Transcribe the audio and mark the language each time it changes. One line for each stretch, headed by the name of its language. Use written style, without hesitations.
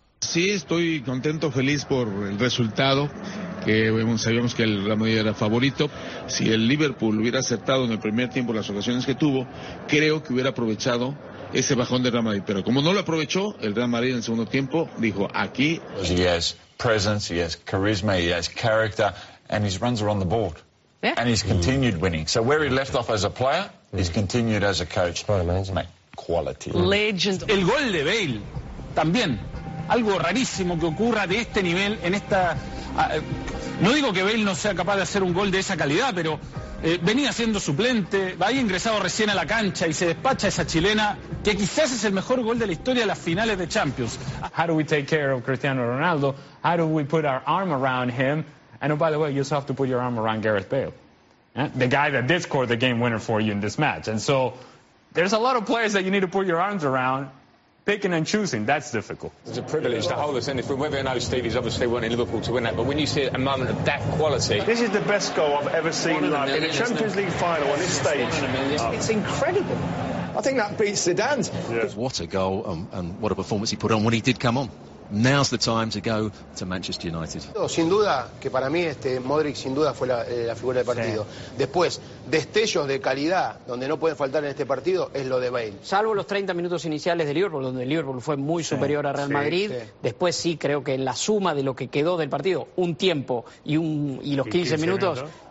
Spanish: Sí, estoy contento, feliz por el resultado, que bueno, sabíamos que el Real Madrid era favorito. Si el Liverpool hubiera acertado en el primer tiempo las ocasiones que tuvo, creo que hubiera aprovechado ese bajón del Real Madrid. Pero como no lo aprovechó, el Real Madrid en el segundo tiempo dijo, aquí...
English: He has presence, he has charisma, he has character, and his runs are on the board. Yeah. And he's continued winning. So where he left off as a player, he's continued as a coach. Quite amazing. Mate, quality. Legend.
Spanish: El gol de Bale, también. Algo rarísimo que ocurra de este nivel, en esta... No digo que Bale no sea capaz de hacer un gol de esa calidad, pero venía siendo suplente, había ingresado recién a la cancha y se despacha esa chilena que quizás es el mejor gol de la historia de las finales de Champions.
English: How do we take care of Cristiano Ronaldo? How do we put our arm around him? And oh, by the way, you also have to put your arm around Gareth Bale, the guy that did score the game winner for you in this match. And so there's a lot of players that you need to put your arms around. Picking and choosing, that's difficult. It's a privilege to hold us in. If we ever know, Stevie's obviously wanting Liverpool to win that, but when you see a moment of that quality... This is the best goal I've ever seen live in a Champions League final on this stage. It's incredible. I think that beats Zidane's. Yeah. What a goal and what a performance he put on when he did come on. Now's the time to go to Manchester United.
Spanish: Sin duda que para mí Modric sin duda fue la figura del partido. Sí. Después, destellos de calidad donde no pueden faltar en este partido es lo de Bale. Salvo los 30 minutos iniciales de Liverpool, donde Liverpool fue muy superior a Real Madrid. Sí. Después sí, creo que en la suma de lo que quedó del partido, un tiempo y los 15 minutos.